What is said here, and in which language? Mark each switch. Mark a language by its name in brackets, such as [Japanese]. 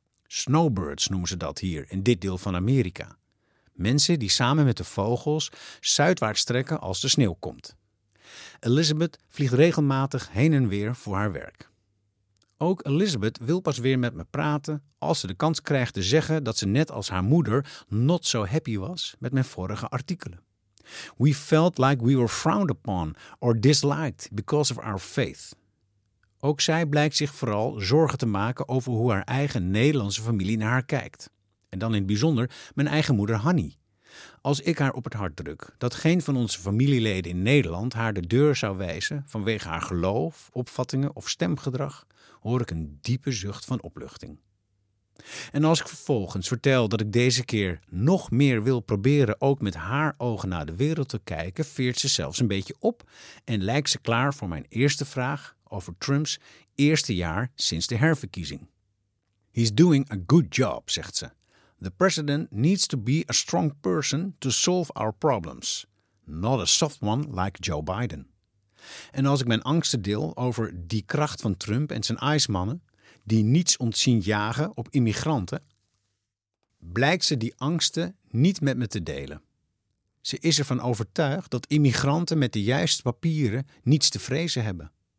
[Dutch] Snowbirds noemen ze dat hier in dit deel van Amerika. Mensen die samen met de vogels zuidwaarts trekken als de sneeuw komt. Elizabeth vliegt regelmatig heen en weer voor haar werk. Ook Elizabeth wil pas weer met me praten als ze de kans krijgt te zeggen dat ze net als haar moeder [English] not so happy [Dutch] was met mijn vorige artikelen. [English] We felt like we were frowned upon or disliked because of our faith. [Dutch] Ook zij blijkt zich vooral zorgen te maken over hoe haar eigen Nederlandse familie naar haar kijkt. En dan in het bijzonder mijn eigen moeder Hanny. Als ik haar op het hart druk dat geen van onze familieleden in Nederland haar de deur zou wijzen vanwege haar geloof, opvattingen of stemgedrag, hoor ik een diepe zucht van opluchting. En als ik vervolgens vertel dat ik deze keer nog meer wil proberen ook met haar ogen naar de wereld te kijken, veert ze zelfs een beetje op en lijkt ze klaar voor mijn eerste vraag over Trumps eerste jaar sinds de herverkiezing. [English] He's doing a good job, [Dutch] zegt ze. [English] The president needs to be a strong person to solve our problems, not a soft one like Joe Biden. [Dutch] En als ik mijn angsten deel over die kracht van Trump en zijn ijsmannen, die niets ontzien jagen op immigranten, blijkt ze die angsten niet met me te delen. Ze is ervan overtuigd dat immigranten met de juiste papieren niets te vrezen hebben.